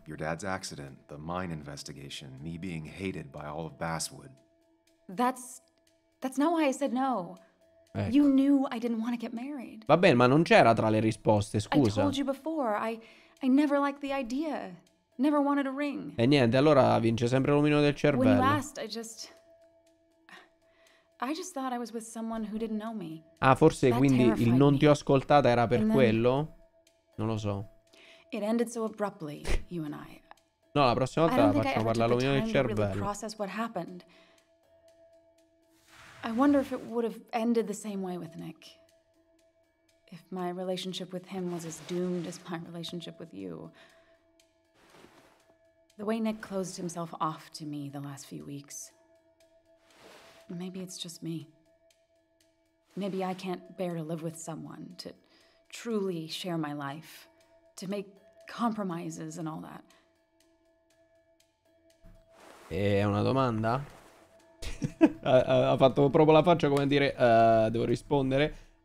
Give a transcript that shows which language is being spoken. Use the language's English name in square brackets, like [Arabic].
[English] Your dad's accident, the mine investigation, me being hated by all of Basswood. That's not why I said no. [Italian] Ecco. [English] You knew I didn't want to get married. [Italian] Va bene, ma non c'era tra le risposte, scusa. [English] I told you before, I never liked the idea. Never wanted a ring. [Italian] E niente, allora vince sempre l'omino del cervello. [English] When you asked, I just thought I was with someone who didn't know me. [Italian] Ah, forse that quindi il non ti ho ascoltata era per quello? Non lo so. [English] It ended so abruptly, you and I. [Italian] No, la prossima volta la facciamo parlare l'omino del cervello. [English] Really process what happened. I wonder if it would have ended the same way with Nick. If my relationship with him was as doomed as my relationship with you. The way Nick closed himself off to me the last few weeks. Maybe it's just me. Maybe I can't bear to live with someone, to truly share my life, to make compromises and all that. [Italian] È una domanda? Ha fatto proprio la faccia come dire devo rispondere.